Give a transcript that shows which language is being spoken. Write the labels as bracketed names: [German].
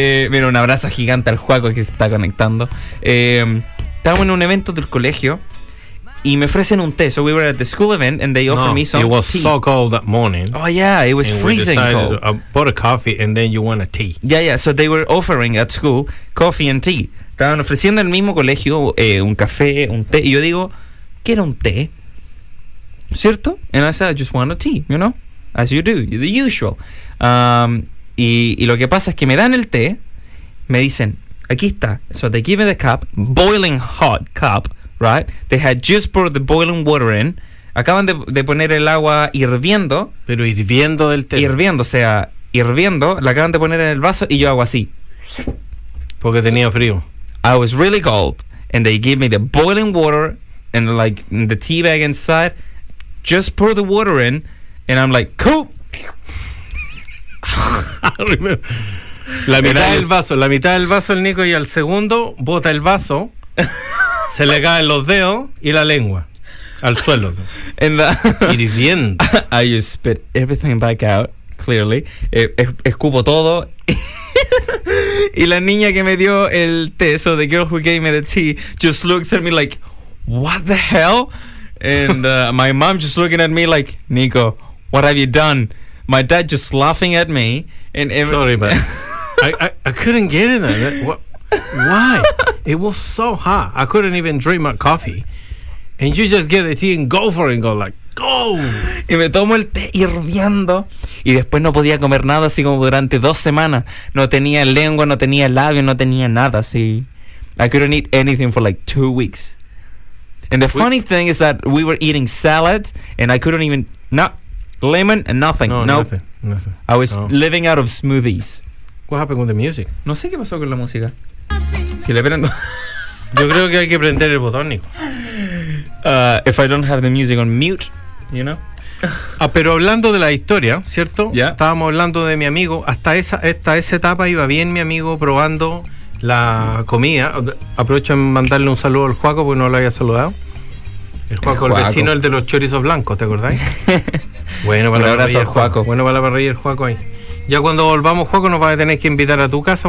[Spanish] mira, un abrazo gigante al Juaco que se está conectando. Estábamos en un evento del colegio. Y me ofrecen un té. [English] So we were at the school event and they offered me some tea. It was tea. So cold that morning. Oh yeah, it was freezing cold. I bought a coffee and then you want a tea. Yeah, yeah. So they were offering at school coffee and tea. [Spanish] Estaban ofreciendo en el mismo colegio un café, un té. Y yo digo, quiero un té. ¿Cierto? [English] And I said, I just want a tea, you know? As you do, the usual. [Spanish] Y lo que pasa es que me dan el té. Me dicen, aquí está. [English] So they give me the cup, boiling hot cup. Right, they had just poured the boiling water in. [Spanish] Acaban de poner el agua hirviendo. Pero hirviendo del té. Hirviendo, o sea, hirviendo. La acaban de poner en el vaso y yo hago así. Porque tenía frío. [English] I was really cold, and they gave me the boiling water and like the tea bag inside. Just pour the water in, and I'm like, cool. [Spanish] La mitad del vaso, la mitad del vaso el Nico y al segundo bota el vaso. Se le caen los dedos y la lengua al suelo. Hirviendo. [English] I just spit everything back out, clearly. [Spanish] Escupo todo. Y la niña que me dio el té, [English] so the girl who gave me the tea, just looks at me like, what the hell? And my mom just looking at me like, Nico, what have you done? My dad just laughing at me. And sorry, but I couldn't get in there. Why? It was so hot. I couldn't even drink my coffee. And you just get the tea and go for it and go like, go! [Spanish] Y me tomo el té hirviendo. Y después no podía comer nada así como durante 2 semanas. No tenía lengua, no tenía labio, no tenía nada así. [English] I couldn't eat anything for like 2 weeks. And the funny thing is that we were eating salads and I couldn't even, no, lemon and nothing. No, nothing. I was living out of smoothies. What happened with the music? [Spanish] No sé qué pasó con la música. Si le prendo. Yo creo que hay que prender el botón, Nico. [English] If I don't have the music on mute, you know. [Spanish] Pero hablando de la historia, ¿cierto? [English] Yeah. [Spanish] Estábamos hablando de mi amigo. Hasta esa etapa iba bien mi amigo probando la comida. Aprovecho en mandarle un saludo al Juaco porque no lo había saludado. Juaco, el vecino, el de los chorizos blancos, ¿te acordáis? Bueno, para la parrilla, Juaco. Bueno, para la parrilla, el Juaco ahí. Ya cuando volvamos, Juaco, nos vas a tener que invitar a tu casa.